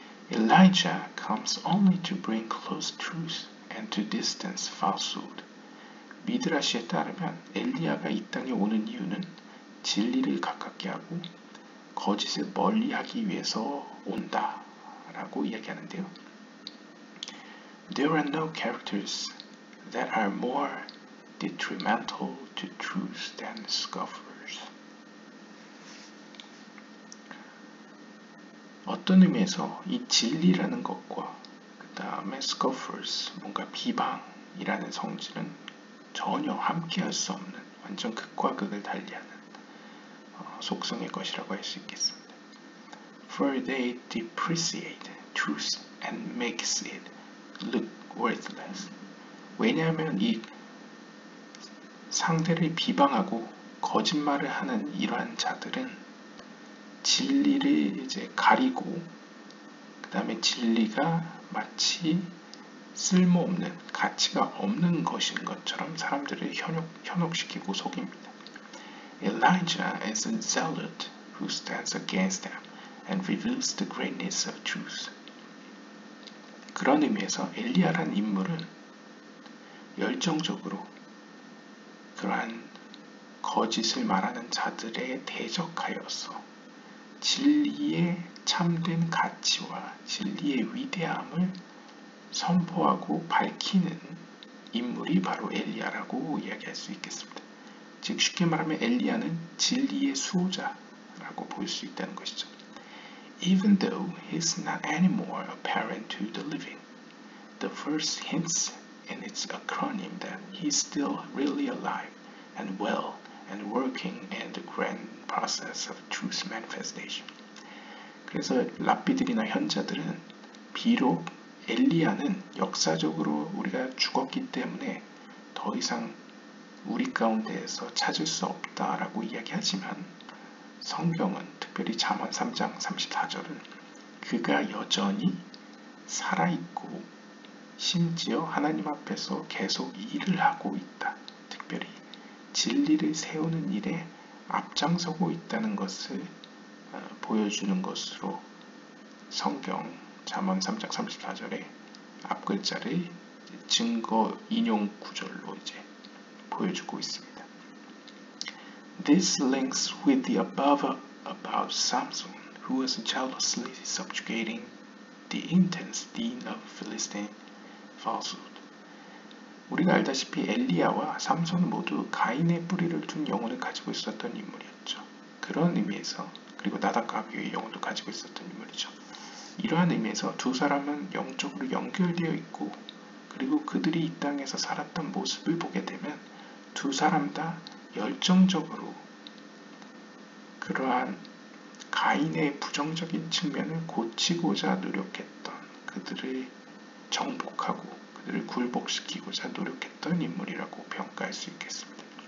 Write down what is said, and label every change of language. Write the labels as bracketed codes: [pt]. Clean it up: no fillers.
[en] Elijah comes only to bring close truth and to distance falsehood. [ko] 미드라시에 따르면 엘리야가 이 땅에 오는 이유는 진리를 가깝게 하고 거짓을 멀리하기 위해서 온다 라고 이야기하는데요. [en] There are no characters that are more detrimental to truth than scoffers. [ko] 어떤 의미에서 이 진리라는 것과 그 다음에 scoffers, 뭔가 비방이라는 성질은 전혀 함께할 수 없는 완전 극과 극을 달리하는 속성의 것이라고 할 수 있겠습니다. [en] For they depreciate truth and makes it look worthless. [ko] 왜냐하면 이 상대를 비방하고 거짓말을 하는 이러한 자들은 진리를 이제 가리고 그 다음에 진리가 마치 쓸모없는 가치가 없는 것인 것처럼 사람들을 현혹시키고 속입니다. [en] Elijah is a zealot who stands against them and reveals the greatness of truth. [ko] 그런 의미에서 엘리야라는 인물은 열정적으로 그러한 거짓을 말하는 자들에 대적하여서 진리의 참된 가치와 진리의 위대함을 선포하고 밝히는 인물이 바로 엘리야라고 이야기할 수 있겠습니다. 즉 쉽게 말하면 엘리야는 진리의 수호자라고 볼 수 있다는 것이죠. [en] Even though he's not anymore apparent to the living, the verse hints in its acronym that he's still really alive. And well, and working in the grand process of truth manifestation. [ko] 그래서 랍비들이나 현자들은 비록 엘리야는 역사적으로 우리가 죽었기 때문에 더 이상 우리 가운데에서 찾을 수 없다라고 이야기하지만 성경은 특별히 잠언 3장 34절은 그가 여전히 살아있고 심지어 하나님 앞에서 계속 일을 하고 있다. 특별히 진리를 세우는 일에 앞장서고 있다는 것을 보여주는 것으로 성경 잠언 3장 34절의 앞글자를 증거 인용 구절로 이제 보여주고 있습니다. [en] This links with the above about Samson, who was jealously subjugating the intense dean of Philistine falsehood. [ko] 우리가 알다시피 엘리야와 삼손은 모두 가인의 뿌리를 둔 영혼을 가지고 있었던 인물이었죠. 그런 의미에서 그리고 나답과 아비우의 영혼도 가지고 있었던 인물이죠. 이러한 의미에서 두 사람은 영적으로 연결되어 있고 그리고 그들이 이 땅에서 살았던 모습을 보게 되면 두 사람 다 열정적으로 그러한 가인의 부정적인 측면을 고치고자 노력했던 그들을 정복하고 를 굴복시키고자 노력했던 인물이라고 평가할 수 있겠습니다.